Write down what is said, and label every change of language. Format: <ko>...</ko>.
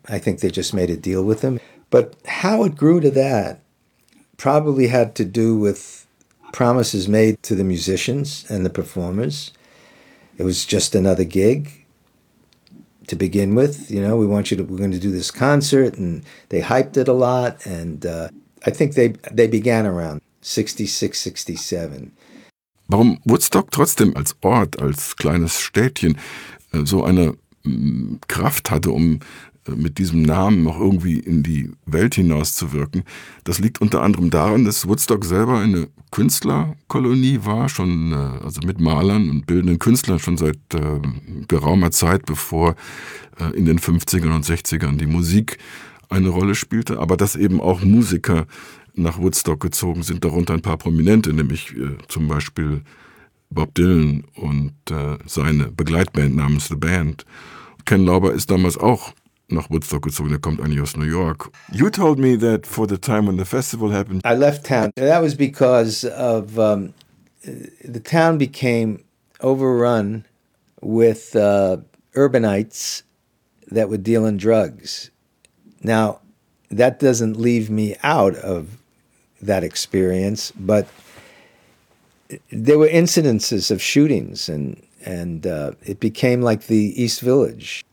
<en>I think they just made a deal with him. But how it grew to that probably had to do with promises made to the musicians and the performers. It was just another gig. To begin with, you know, we're going to do this concert, and they hyped it a lot, and I think they began around 66, 67.</en> <de>Warum Woodstock trotzdem als Ort, als kleines Städtchen, so eine Kraft hatte, um mit diesem Namen noch irgendwie in die Welt hinauszuwirken, das liegt unter anderem daran, dass Woodstock selber eine Künstlerkolonie war, schon also mit Malern und bildenden Künstlern schon seit geraumer Zeit, bevor in den 50ern und 60ern die Musik eine Rolle spielte, aber dass eben auch Musiker nach Woodstock gezogen sind, darunter ein paar Prominente, nämlich zum Beispiel Bob Dylan und seine Begleitband namens The Band. Ken Lauber ist damals auch nach Woodstock gezogen, er kommt eigentlich aus New York.</de> <en>You told me that for the time when the festival happened, I left town. That was because of the town became overrun with urbanites that were dealing drugs. Now, that doesn't leave me out of that experience, but there were incidences of shootings and it became like the East Village.</en>